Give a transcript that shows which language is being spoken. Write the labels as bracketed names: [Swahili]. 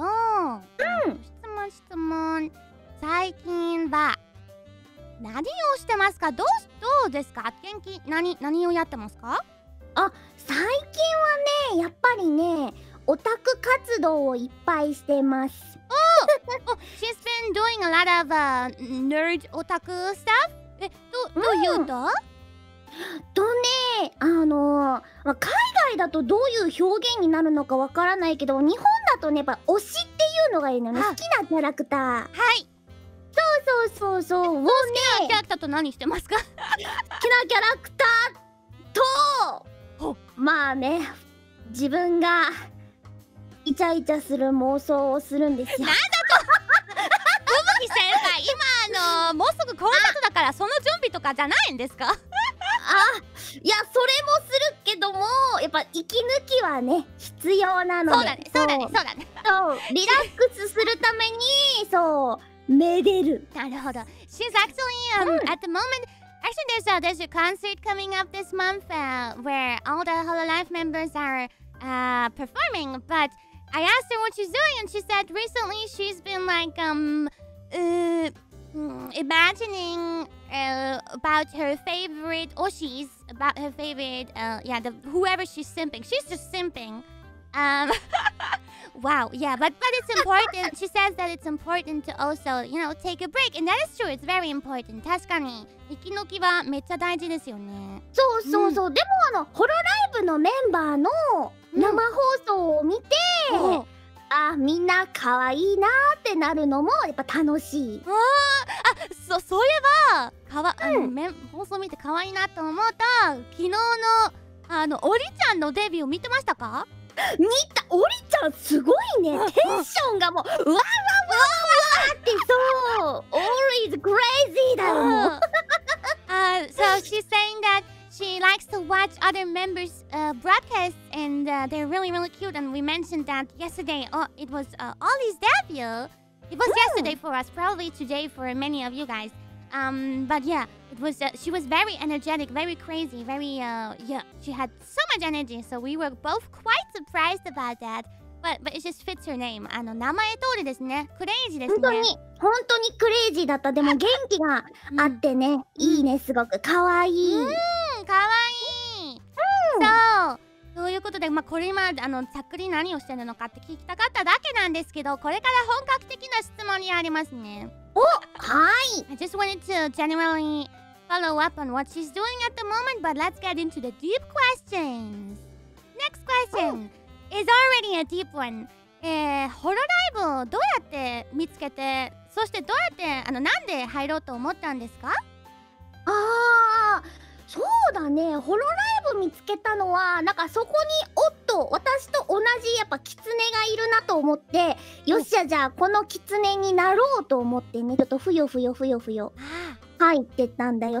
[Japanese] うん、質問、最近は何をしてますか？どうですか？元気、何をやってますか？あ、最近はね、やっぱりね、オタク活動をいっぱいしてます。 [English] おお、She's been doing a lot of nerd otaku stuff? [Japanese] どういうと？とね、海外だとどういう表現になるのかわからないけど、日本だとね、やっぱ推しっていうのがいいのね。好きなキャラクター。はい。そう。を、ね、好きなキャラクターと何してますか？好きなキャラクターと、まあね、自分がイチャイチャする妄想をするんですよ。なんだと？ふぶき先輩、今もうすぐコンサートだからその準備とかじゃないんですか？いや、それもするけども、やっぱ息抜きはね、必要なので。そうだね。そう、リラックスするために、そう、めでる。なるほど。 [English] She's actually, at the moment, actually there's a concert coming up this month, where all the Hololive members are, performing. But I asked her what she's doing and she said recently she's been like, imagining about her favorite oshis, about her favorite, whoever she's simping. She's just simping. wow, yeah, but it's important. She says that it's important to also, you know, take a break. And that is true. It's very important. [Japanese] 確かに。息抜きはめっちゃ大事ですよね。そう。でも、ホロライブのメンバーの生放送を見て、あ、みんな可愛いなってなるのもやっぱ楽しい。そういえば、放送見て可愛いなと思うと、昨日のあのおりちゃんのデビュー見てましたか？見た。おりちゃんすごいね。テンションがもう、わわわわわってそう。オリーズクレイジーだよ。 [English] So she's saying that she likes to watch other members, broadcasts. And they're really, really cute. And we mentioned that yesterday. Oh, it was Ollie's debut. It was yesterday for us. Probably today for many of you guys. But yeah, it was. She was very energetic, very crazy, very. She had so much energy. So we were both quite surprised about that. But it just fits her name. [Japanese] あの名前通りですね。クレイジーですね。本当にクレイジーだった。でも元気があってね。いいね。すごく可愛い。可愛い。So. ということで、まあ、これ今あのざっくり何をしてるのかって聞きたかっただけなんですけど、これから本格的な質問にありますね。お、はい。 [English] I just wanted to generally follow up on what she's doing at the moment, but let's get into the deep questions. Next question is already a deep one. [Japanese] ホロライブをどうやって見つけて、そしてどうやってあのなんで入ろうと思ったんですか？ああ。そうだね、ホロライブ見つけたのは、なんかそこにおっと、私と同じやっぱキツネがいるなと思って、よっしゃ、じゃあこのキツネになろうと思ってね、ちょっとふよふよふよふよ入ってたんだよ。